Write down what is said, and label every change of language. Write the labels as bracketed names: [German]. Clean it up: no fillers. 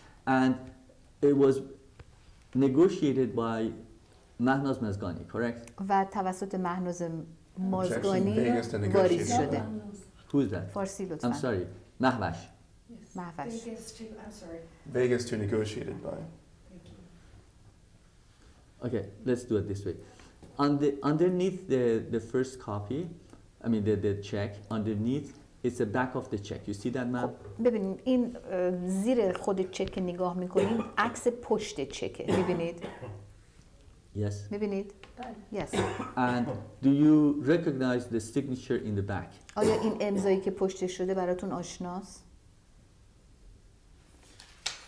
[English] And it was negotiated by Mahnaz Mazgani, correct? [Persian] و توسط مهناز مازگانی واریز شده. [English] Who is that? [Persian] فارسی لطفا. [English] I'm sorry. مهوش. Yes. [Persian] مهوش. [English] Vegas to negotiated by. Okay, let's do it this way. Underneath the first copy, I mean the check, underneath it's the back of the check. You see that, ma'am? [Persian] ببینید این زیر خود چک نگاه میکنید عکس پشت چکه. ببینید؟ [English] Yes. [Persian] ببینید؟ [English] Yes. And do you recognize the signature in the back? [Persian] آیا این امضایی که پشت شده براتون آشناست؟ خب این به اسم امضا که نیست.